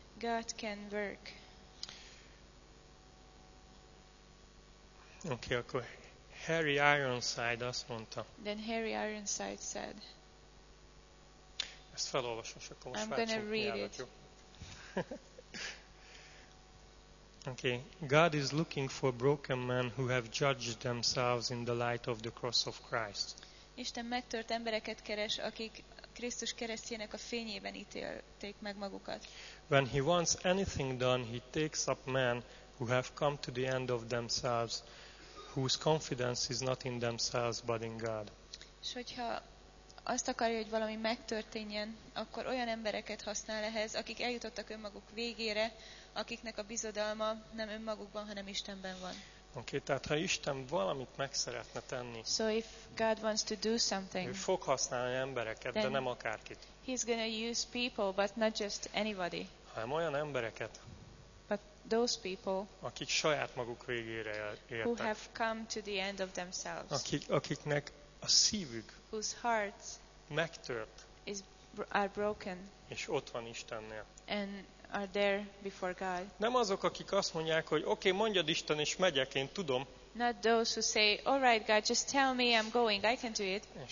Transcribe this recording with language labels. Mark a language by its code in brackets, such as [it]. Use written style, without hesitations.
[en] God can work. [hu] Oké, okay, akkor Harry Ironside azt mondta. [en] Then Harry Ironside said. [hu] Ezt felolvasom, és akkor most [en] I'm gonna read it. Okay. God is looking for broken men who have judged themselves in the light of the cross of Christ. [hu] Isten megtört embereket keres, akik Krisztus keresztjének a fényében ítélték meg magukat. [en] When he wants anything done, he takes up men who have come to the end of themselves, whose confidence is not in themselves but in God. [hu] És hogyha azt akarja, hogy valami megtörténjen, akkor olyan embereket használ ehhez, akik eljutottak önmaguk végére, akiknek a bizodalma nem önmagukban, hanem Istenben van. Oké, okay, tehát ha Isten valamit meg szeretne tenni, [en] so if God wants to do something, [hu] ő fog használni embereket, de nem akárkit. [en] He's gonna use people, but not just anybody. [hu] Hanem olyan embereket, [en] those people [hu] akik saját maguk végére értek, [en] who have come to the end of themselves, [hu] akiknek a szívük [en] whose hearts [hu] megtört [en] is are broken, [hu] és ott van Istennél, [en] and are there before God. [hu] Nem azok, akik azt mondják, hogy oké, okay, mondjad Isten, és megyek, én tudom. [en] Not those who say, all right God, just tell me, I'm going, I can do it.